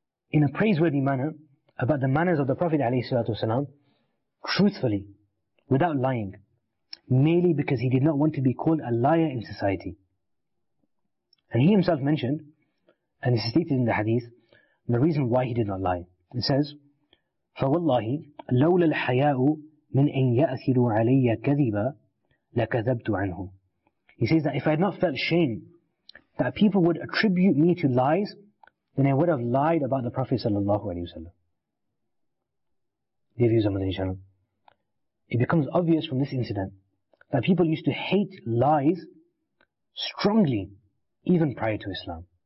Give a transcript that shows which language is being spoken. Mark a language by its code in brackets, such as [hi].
[en] in a praiseworthy manner about the manners of the Prophet ﷺ, truthfully, without lying, merely because he did not want to be called a liar in society. And he himself mentioned, and this is stated in the hadith, the reason why he did not lie. It says, [ar] فَوَاللَّهِ لَوْلَ الْحَيَاءُ مِنْ أَنْ يَأْثِرُ عَلَيَّ كَذِبًا لَكَذَبْتُ عَنْهُ. [en] He says that if I had not felt shame that people would attribute me to lies, then I would have lied about the Prophet sallallahu alaihi wasallam. Dear viewers of Madani Channel, it becomes obvious from this incident that people used to hate lies strongly even prior to Islam.